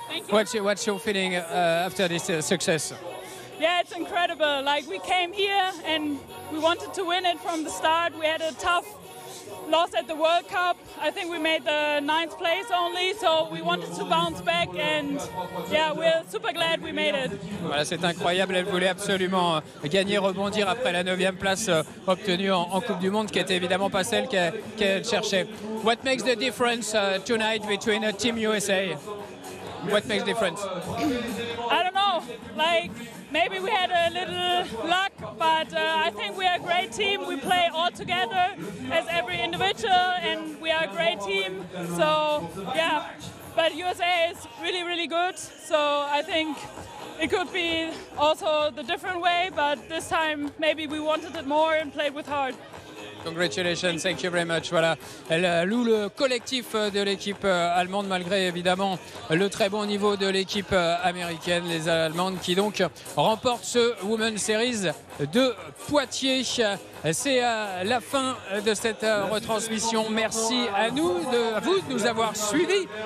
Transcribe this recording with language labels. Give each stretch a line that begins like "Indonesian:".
English: What's your feeling after this success? Yeah, it's incredible. Like, we came here and we wanted to win it from the start. We had a tough loss at the World Cup. I think we made the ninth place only, so we wanted to bounce back and yeah, we're super glad we made it.
French: Voilà, c'est incroyable. Elle voulait absolument gagner, rebondir après la 9e place obtenue en Coupe du Monde, qui n'était évidemment pas celle qu'elle cherchait.
English: What makes the difference tonight between a Team USA? What makes the difference? I don't know. Like, maybe we had a little luck, but I think we are a great team. We play all together as every individual, and we are a great team. So, yeah. But USA is really, really good. So I think it could be also the different way, but this time maybe we wanted it more and played with heart. Congratulations, thank you very much.
French: Voilà, elle loue le collectif de l'équipe allemande malgré évidemment le très bon niveau de l'équipe américaine. Les Allemandes qui donc remportent ce Women's Series de Poitiers. C'est la fin de cette retransmission. Merci à nous, à vous de nous avoir suivis.